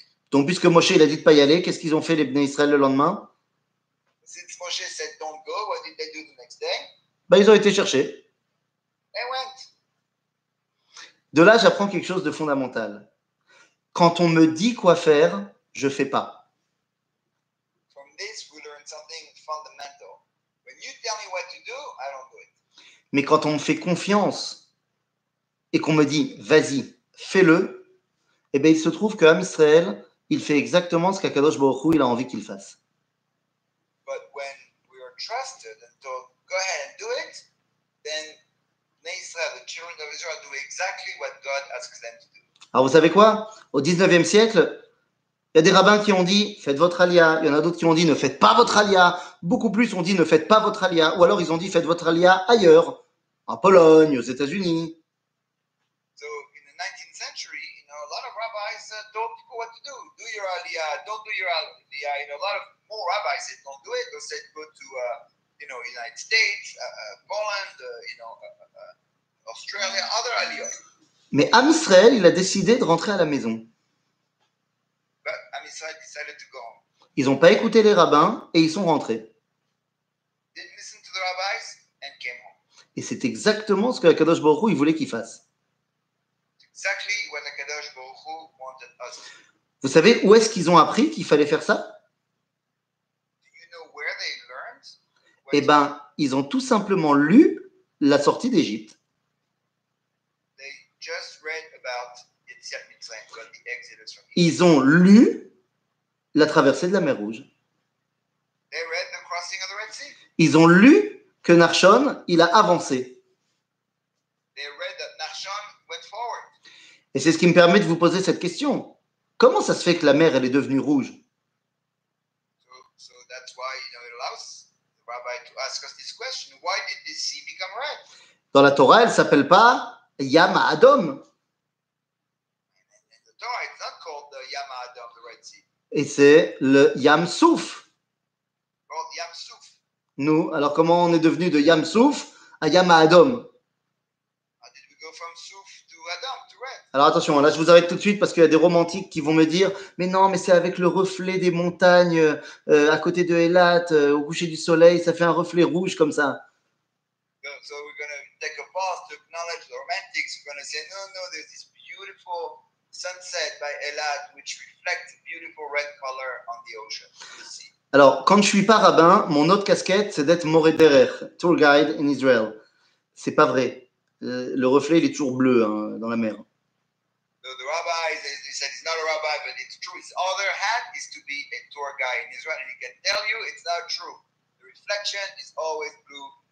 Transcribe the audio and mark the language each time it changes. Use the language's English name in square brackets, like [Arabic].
[French] Donc puisque Moshe il a dit de pas y aller, qu'est-ce qu'ils ont fait les Bnei Israël le lendemain? [English] Since Moshe said don't go, what did they do the next day? [French] Ben, ils ont été chercher. [English] They went. [French] De là, j'apprends quelque chose de fondamental. Quand on me dit quoi faire, je ne fais pas. [English] From this, we learn something fundamental. When you tell me what to do, I don't do it. [French] Mais quand on me fait confiance et qu'on me dit « vas-y, fais-le », eh bien, il se trouve qu'Am Israël, il fait exactement ce qu'Akadosh Baruch Hu, il a envie qu'il fasse. [English] But when we are trusted and told, go ahead and do it, then Israel, the children of Israel, do exactly what God asks them to do. [French] Alors, vous savez quoi? Au 19e siècle, il y a des rabbins qui ont dit, faites votre alia. Il y en a d'autres qui ont dit, ne faites pas votre alia. Beaucoup plus ont dit, ne faites pas votre alia. Ou alors, ils ont dit, faites votre alia ailleurs, en Pologne, aux États-Unis. [English] So, in the 19th century, you know, a lot of rabbis told people what to do. Do your alia, don't do your alia. You know, a lot of more rabbis said, don't do it. Or said, go to, you know, United States, Poland, you know, Australia, other alias. [French] Mais Am Israël, il a décidé de rentrer à la maison. [English] But Am Israël decided to go home. [French] Ils n'ont pas écouté les rabbins et ils sont rentrés. [English] Didn't listen to the rabbis and came home. [French] Et c'est exactement ce que Akadosh Baruch Hu, il voulait qu'il fasse. [English] Exactly what Akadosh Baruch Hu wanted us. [French] Vous savez où est-ce qu'ils ont appris qu'il fallait faire ça? [English] Do you know where they learned? [French] Eh bien, ils ont tout simplement lu la sortie d'Égypte. [English] Just read about Yetziat Mitzrayim, called the Exodus from [French] Egypt. Ils ont lu la traversée de la mer Rouge. [English] They read the crossing of the Red Sea. [French] Ils ont lu que Nachshon, il a avancé. [English] They read that Nachshon went forward. [French] Et c'est ce qui me permet de vous poser cette question. Comment ça se fait que la mer, elle est devenue rouge? [English] So that's why, you know, it allows the rabbi to ask us this question. Why did the sea become red? [French] Dans la Torah, elle ne s'appelle pas Yam Adom. [English] In the Torah, it's not called the Yam Adom, the Red Sea. [French] Et c'est le Yam Souf. [English] Called Yam Souf. [French] Nous, alors comment on est devenu de Yam Souf à Yam Adom? [English] How did we go from Souf to Adom, to Red? [French] Alors attention, là je vous arrête tout de suite parce qu'il y a des romantiques qui vont me dire mais non, mais c'est avec le reflet des montagnes à côté de Eilat, au coucher du soleil, ça fait un reflet rouge comme ça. [English] So we're going to take a pause to acknowledge the romantics. We're going to say, no, no, there's this beautiful sunset by Elad, which reflects a beautiful red color on the ocean, the sea. [French] Alors, quand je ne suis pas rabbin, mon autre casquette, c'est d'être Moré Derech, [English] tour guide in Israel. [French] Ce n'est pas vrai. Le reflet, il est toujours bleu hein, dans la mer. [English] So the rabbi, he said, it's not a rabbi, but it's true. His other hat is to be a tour guide in Israel. And he can tell you it's not true. The reflection is always blue.